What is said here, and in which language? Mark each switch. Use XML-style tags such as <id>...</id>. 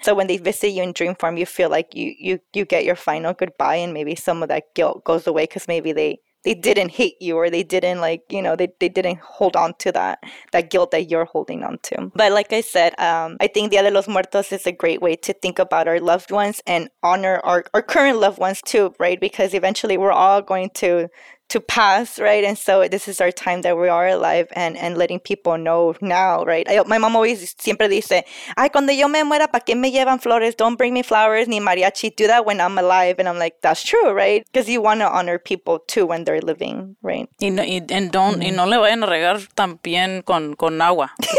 <en>So when they visit you in dream form, you feel like you get your final goodbye, and maybe some of that guilt goes away because maybe they didn't hate you, or they didn't, like, you know, they didn't hold on to that guilt that you're holding on to. But like I said, I think Dia de los Muertos is a great way to think about our loved ones and honor our current loved ones too, right? Because eventually we're all going to to pass, right? And so this is our time that we are alive and letting people know now, right? My mom always</en> <es>siempre dice, ay, cuando yo me muera, ¿para qué me llevan flores?</es> <en>Don't bring me flowers</en> <es>ni mariachi.</es> <en>Do that when I'm alive. And I'm like, that's true, right? Because you want to honor people too when they're living, right?</en> <es>Y no le vayan a regar también con agua.</es>